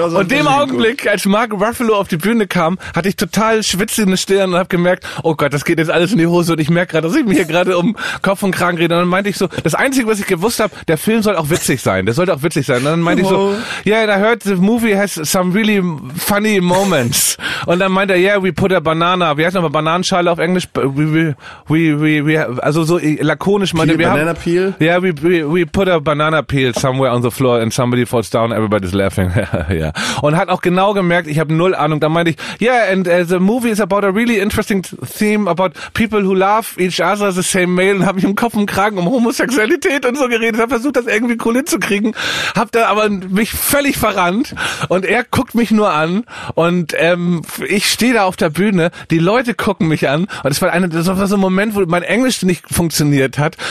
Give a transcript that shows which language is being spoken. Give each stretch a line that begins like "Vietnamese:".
German: Und in dem Augenblick, als Mark Ruffalo auf die Bühne kam, hatte ich total schwitzende Stirn und habe gemerkt, oh Gott, das geht jetzt alles in die Hose und ich merke gerade, dass ich mir hier gerade um Kopf und Kragen rede. Und dann meinte ich so, das Einzige, was ich gewusst habe, der Film soll auch witzig sein. Der sollte auch witzig sein. Und dann meinte ich so,
English: yeah, I heard the movie has some really funny moments.
German: Und dann meinte er,
English: yeah, we put a banana,
German: wie heißt nochmal, Bananenschale auf Englisch? We also so lakonisch meinte, wir
English: Banana
German: haben...
English: Yeah, we put a banana peel somewhere on the floor and somebody falls down, everybody's laughing. Yeah.
German: Und hat auch genau gemerkt, ich habe null Ahnung. Da meinte ich,
English: yeah, and the movie is about a really interesting theme about people who love each other the same male.
German: Und habe ich im Kopf und Kragen um Homosexualität und so geredet. Habe versucht, das irgendwie cool hinzukriegen. Habe da aber mich völlig verrannt. Und er guckt mich nur an. Und ich stehe da auf der Bühne. Die Leute gucken mich an. Und das war so ein Moment, wo mein Englisch nicht funktioniert hat.